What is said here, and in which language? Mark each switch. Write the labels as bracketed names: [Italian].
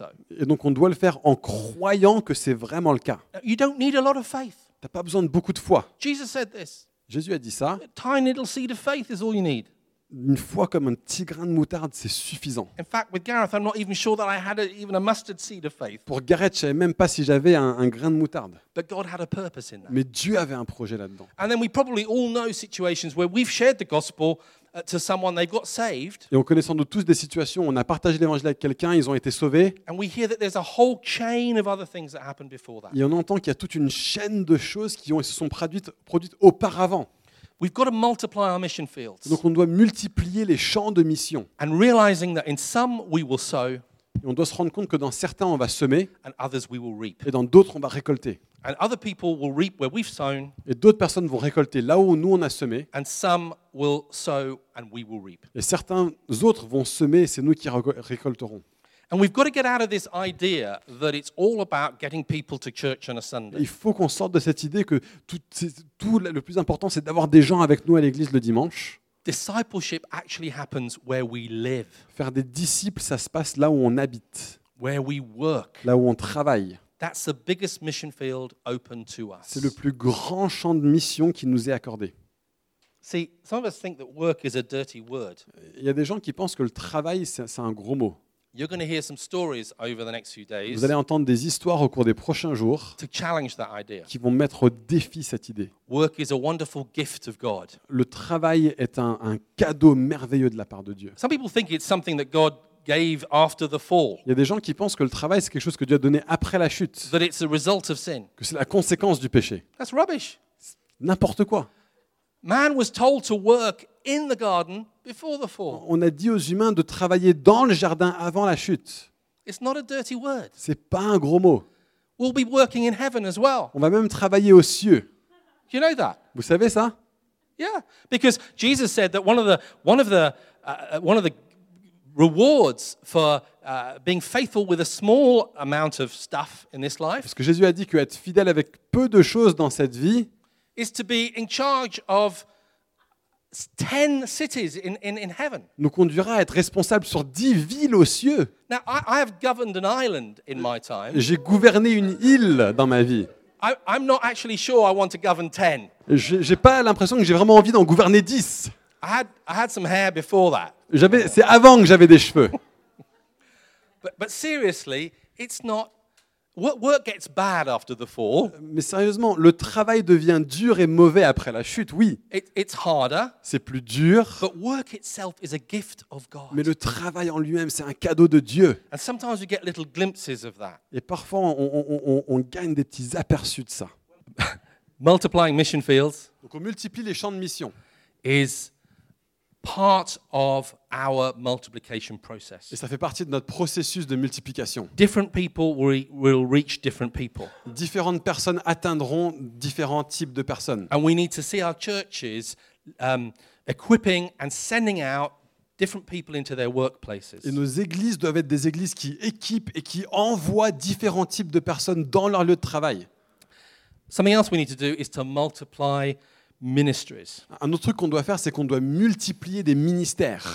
[French] Et donc on doit le faire en croyant que c'est vraiment le cas. [English] You don't need a lot of faith. [French] T'as pas besoin de beaucoup de foi. [English] Jesus said this. [French] Jésus a dit ça. [English] A tiny little seed of faith is all you need. [French] Une foi comme un petit grain de moutarde, c'est suffisant. [English] In fact, with Gareth, I'm not even sure that I had even a mustard seed of faith. [French] Pour Gareth, je savais même pas si j'avais un grain de moutarde. [English] But God had a purpose in that. [French] Mais Dieu avait un projet là-dedans. [English] And then we probably all know situations where we've shared the gospel to someone, they've got saved. [French] Et on connaît sans doute tous des situations où on a partagé l'évangile avec quelqu'un, ils ont été sauvés. [English] And we hear that there's a whole chain of other things that happened before that. [French] Et on entend qu'il y a toute une chaîne de choses qui se sont produites auparavant. [English] We've got to multiply our mission fields. [French] Donc on doit multiplier les champs de mission. [English] And realizing that in some we will sow. [French] Et on doit se rendre compte que dans certains on va semer. [English] And others we will reap. [French] Et dans d'autres on va récolter. [English] And other people will reap where we've sown. [French] Et d'autres personnes vont récolter là où nous on a semé. [English] And some will sow and we will reap. [French] Et certains autres vont semer et c'est nous qui récolterons. [English] And we've got to get out of this idea that it's all about getting people to church on a Sunday. [French] Il faut qu'on sorte de cette idée que tout le plus important c'est d'avoir des gens avec nous à l'église le dimanche. [English] Discipleship actually happens where we live. [French] Faire des disciples, ça se passe là où on habite. [English] Where we work. [French] Là où on travaille. [English] That's the biggest mission field open to us. [French] C'est le plus grand champ de mission qui nous est accordé. [English] See, some of us think that work is a dirty word. [French] Il y a des gens qui pensent que le travail c'est un gros mot. [English] You're going to hear some stories over the next few days. [French] Vous allez entendre des histoires au cours des prochains jours. [English] To challenge that idea. [French] Qui vont mettre au défi cette idée. [English] Work is a wonderful gift of God. [French] Le travail est un cadeau merveilleux de la part de Dieu. [English] Some people think it's something that God gave after the fall. [French] Il y a des gens qui pensent que le travail c'est quelque chose que Dieu a donné après la chute. [English] That it's a result of sin. [French] Que c'est la conséquence du péché. [English] That's rubbish. [French] N'importe quoi. [English] Man was told to work in the garden. Before the fall. [French] On a dit aux humains de travailler dans le jardin avant la chute. [English] It's not a dirty word. [French] C'est pas un gros mot. [English] We'll be working in heaven as well. [French] On va même travailler aux cieux. [English] You know that? [French] Vous savez ça? [English] Yeah, because Jesus said that one of the rewards for being faithful with a small amount of stuff in this life. [French] Parce que Jésus a dit que être fidèle avec peu de choses dans cette vie [English] is to be in charge of 10 cities in heaven. [French] Nous conduira à être responsable sur 10 villes aux cieux. [English] Now I have governed an island in my time. [French] J'ai gouverné une île dans ma vie. [English] I'm not actually sure I want to govern 10. [French] J'ai pas l'impression que j'ai vraiment envie d'en gouverner 10. [English] I had some hair before that. [French] C'est avant que j'avais des cheveux. [English] But seriously, it's not what work gets bad after the fall. [French] Mais sérieusement, le travail devient dur et mauvais après la chute, oui. [English] It's harder. [French] C'est plus dur. [English] But work itself is a gift of God. [French] Mais le travail en lui-même, c'est un cadeau de Dieu. [English] And sometimes you get little glimpses of that. [French] Et parfois, on gagne des petits aperçus de ça. [English] Multiplying mission fields. [French] Donc on multiplie les champs de mission. [English] Is part of our multiplication process. [French] Et ça fait partie de notre processus de multiplication. [English] Different people will reach different people. [French] Différentes personnes atteindront différents types de personnes. [English] And we need to see our churches equipping and sending out different people into their workplaces. [French] Et nos églises doivent être des églises qui équipent et qui envoient différents types de personnes dans leur lieu de travail. [English] Something else we need to do is to multiply ministries. [French] Un autre truc qu'on doit faire, c'est qu'on doit multiplier des ministères.